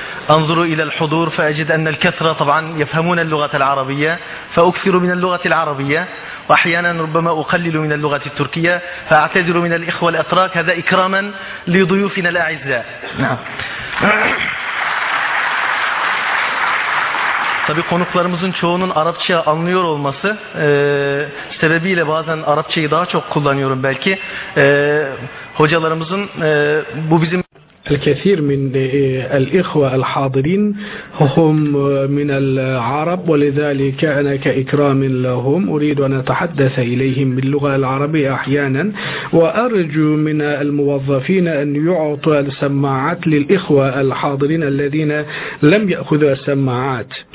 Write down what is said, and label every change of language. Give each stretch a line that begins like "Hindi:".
Arabic: أنظر إلى الحضور فأجد أن الكثرة طبعا يفهمون اللغة العربية فأكثر من اللغة العربية، وأحيانا ربما أقلل من اللغة التركية فأعتذر من الإخوة الأتراك، هذا إكراما لضيوفنا الأعزاء. نعم.
Turkish: Tabii konuklarımızın çoğunun Arapça anlıyor olması sebebiyle bazen Arapçayı daha çok kullanıyorum belki. Hocalarımızın bu bizim...
Arabic: الكثير من الإخوة الحاضرين هم من العرب، ولذلك أنا كإكرام لهم أريد أن أتحدث إليهم باللغة العربية أحيانا، وأرجو من الموظفين أن يعطوا السماعات للإخوة الحاضرين الذين لم يأخذوا السماعات.